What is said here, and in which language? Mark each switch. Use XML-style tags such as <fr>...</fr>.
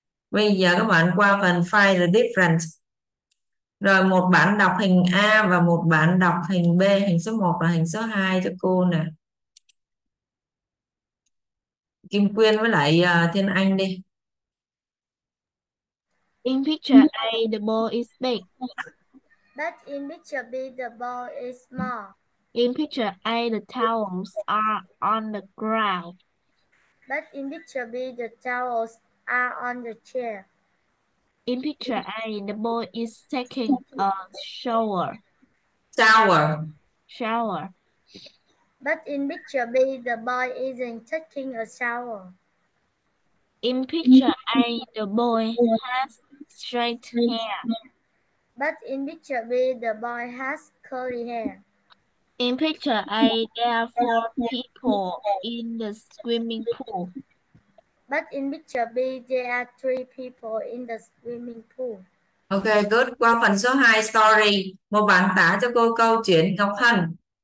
<vi>Bây giờ các bạn qua phần</vi> <en>find the difference.</en> <vi>Rồi một bạn đọc hình A và một bạn đọc hình B, hình số 1 và hình số 2 cho cô nè. Kim Quyên với lại Thiên Anh đi.</vi> <en>In picture A, the ball is big. But in picture B, the ball is small. In picture A, the towels are on the ground. But in picture B, the towels are on the chair. In picture A, the boy is taking a shower. Shower. But in picture B, the boy isn't taking a shower. In picture A, the boy has straight hair. But in picture B, the boy has curly hair. In picture A, there are four people in the swimming pool. But in picture B, there are three people in the swimming pool. Okay, good.</en> <vi>Qua phần số 2, story. Một bạn tả cho cô câu chuyện Ngọc Hân.</vi>